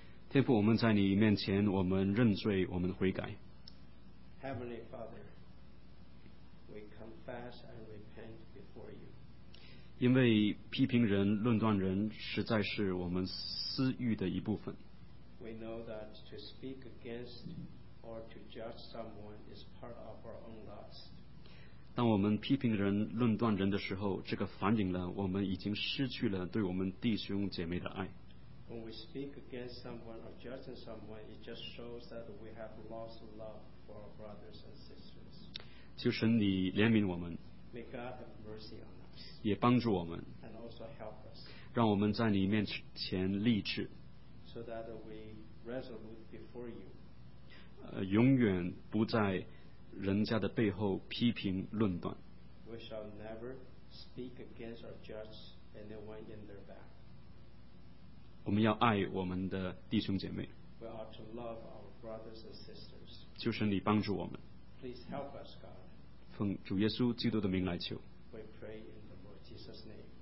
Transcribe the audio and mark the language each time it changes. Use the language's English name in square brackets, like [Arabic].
[Chinese] 天父，我们在你面前，我们认罪，我们悔改。 [English] Heavenly Father, we confess and repent before you. [Chinese] 因为批评人、论断人，实在是我们私欲的一部分。 [English] We know that to speak against or to judge someone is part of our own lust. [Chinese] 当我们批评人、论断人的时候，这个反映了我们已经失去了对我们弟兄姐妹的爱。 [English] When we speak against someone or judging someone, it just shows that we have lost love for our brothers and sisters. [Chinese] 求神你怜悯我们。 [English] May God have mercy on us. [Chinese] 也帮助我们。 [English] And also help us. [Chinese] 让我们在你面前立志。 [English] So that we resolute before you. [Chinese] 永远不在人家的背后批评论断。 [English] We shall never speak against or judge anyone in their back. [Chinese] 我们要爱我们的弟兄姐妹。 [English] We ought to love our brothers and sisters. [Chinese] 求神你帮助我们。 [English] Please help us, God. [Chinese] 奉主耶稣基督的名来求。 [English] We pray in the Lord Jesus' name.